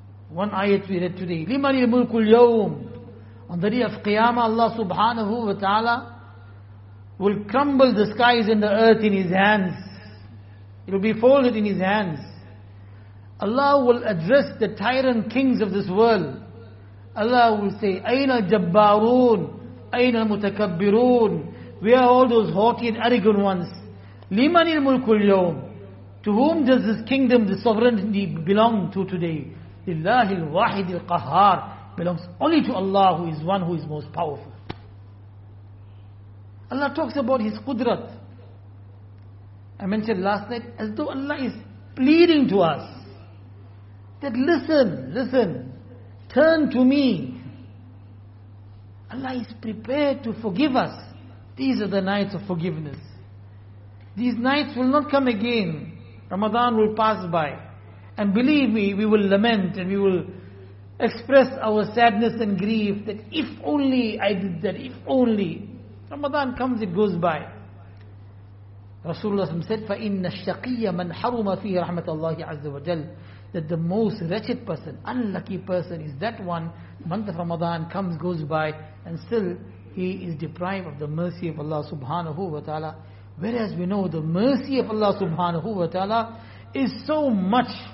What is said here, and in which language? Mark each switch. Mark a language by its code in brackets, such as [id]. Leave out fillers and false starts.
[en] One ayat we read today, [ar] لِمَنْ الْمُلْكُ الْيَوْمِ. [en] On the day of Qiyamah, Allah subhanahu wa ta'ala will crumble the skies and the earth in His hands. It will be folded in His hands. Allah will address the tyrant kings of this world. Allah will say, [ar] أَيْنَ الْجَبَّارُونَ أَيْنَ الْمُتَكَبِّرُونَ. [en] We are all those haughty and arrogant ones. [ar] لِمَنِ الْمُلْكُ الْيَوْمِ. [en] To whom does this kingdom, this sovereignty belong to today? [ar] لِلَّهِ الْوَاحِدِ الْقَهَارِ. [en] Belongs only to Allah, who is one who is most powerful. Allah talks about His qudrat. I mentioned last night, as though Allah is pleading to us, that listen, listen, turn to me. Allah is prepared to forgive us. These are the nights of forgiveness. These nights will not come again. Ramadan will pass by. And believe me, we will lament and we will express our sadness and grief that if only I did that, if only. Ramadan comes, it goes by. [ar] Rasulullah said, فَإِنَّ الشَّقِيَّ مَنْ حَرُمَ فِيهِ رَحْمَةَ اللَّهِ عَزَّ وَجَلَّ. [en] That the most wretched person, unlucky person, is that one. Month of Ramadan comes, goes by, and still he is deprived of the mercy of Allah subhanahu wa ta'ala. Whereas we know the mercy of Allah subhanahu wa ta'ala is so much.